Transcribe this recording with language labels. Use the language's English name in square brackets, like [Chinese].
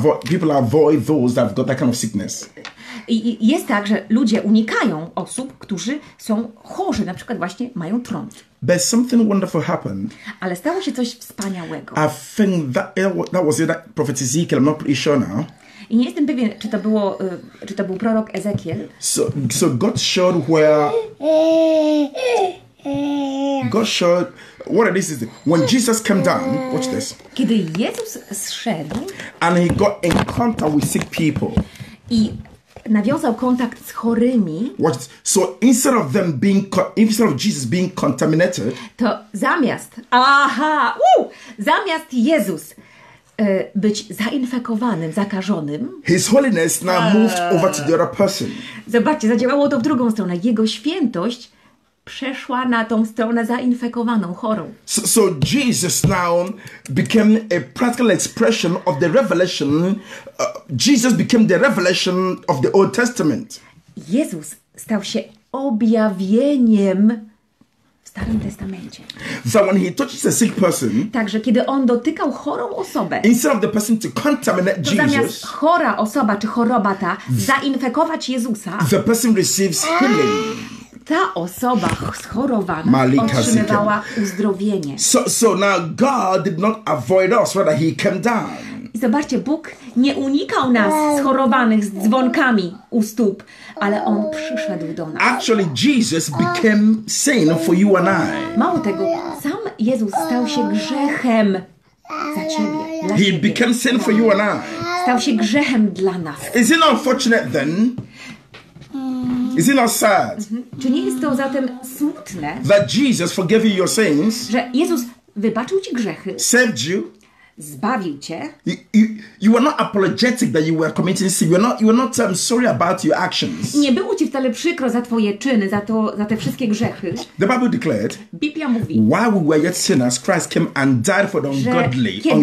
[English] People avoid those that have got that kind of sickness. [Polish] I jest tak, że ludzie unikają osób, którzy są chorzy, na przykład właśnie mają trąd. [English] But something wonderful happened. [Polish] Ale stało się coś wspaniałego. [English] I think that was it, that prophet Ezekiel, I'm not pretty sure now. [Polish] I nie jestem pewien, czy to był prorok Ezekiel. [English] So God showed where. God showed what it is when Jesus came down. Watch this. [Polish] Kiedy Jezus zszedł. [English] And he got in contact with sick people. [Polish] I nawiązał kontakt z chorymi. [English] Watch this. So instead of them being, instead of Jesus being contaminated. [Polish] To zamiast. Aha. Zamiast Jezus być zainfekowanym, zakażonym. [English] His holiness now moved over to the other person. [Polish] Zobaczcie, zadziałało to w drugą stronę. Jego świętość przeszła na tą stronę zainfekowaną, chorą. [English] So Jesus now became a practical expression of the revelation. Jesus became the revelation of the Old Testament. [Polish] Jezus stał się objawieniem w Starym Testamencie. [English] So when he touches a sick person, [Polish] także kiedy on dotykał chorą osobę, [English] instead of the person to contaminate [Polish] to zamiast [English] Jesus, [Polish] chora osoba czy choroba ta zainfekować Jezusa, [English] the person receives healing. [Polish] Ta osoba schorowana otrzymywała uzdrowienie. [English] So now God did not avoid us, rather he came down. [Polish] I zobaczcie, Bóg nie unikał nas schorowanych z dzwonkami u stóp, ale On przyszedł do nas. [English] Actually, Jesus became sin for you and I. [Polish] Mało tego, sam Jezus stał się grzechem za ciebie, dla [English] He became sin for you and I. [Polish] Stał się grzechem dla nas. [English] Is it unfortunate then? Is it not sad? Mm-hmm. [Polish] Czy nie jest to zatem smutne? [English] That Jesus forgave you your sins. [Polish] Że Jezus wybaczył ci grzechy. [English] Saved you. [Polish] Zbawił cię. [English] You were not apologetic that you were committing sin. You were not sorry about your actions. [Polish] Nie było ci wcale przykro za twoje czyny, za te wszystkie grzechy. [English] The Bible declared. [Polish] Biblia mówi. [English] While we were yet sinners, Christ came and died for the ungodly.